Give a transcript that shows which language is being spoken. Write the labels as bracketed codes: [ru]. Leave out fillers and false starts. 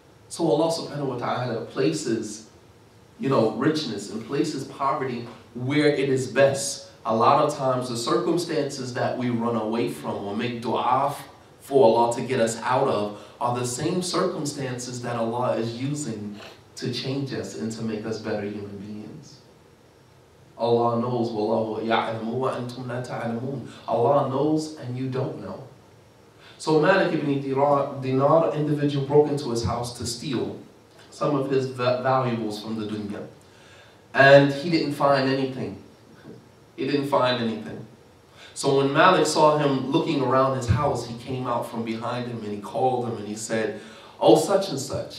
[en] So Allah subhanahu wa ta'ala places, you know, richness and places poverty where it is best. A lot of times the circumstances that we run away from or make dua for Allah to get us out of are the same circumstances that Allah is using to change us and to make us better human beings. Allah knows, [ar] وَاللَّهُ يَعْلَمُ وَأَنْتُمْ لَا تَعْلَمُونَ. [en] Allah knows and you don't know. So Malik ibn Dinar, individual, broke into his house to steal some of his valuables from the dunya. And he didn't find anything. He didn't find anything. So when Malik saw him looking around his house, he came out from behind him and he called him and he said, oh, such and such.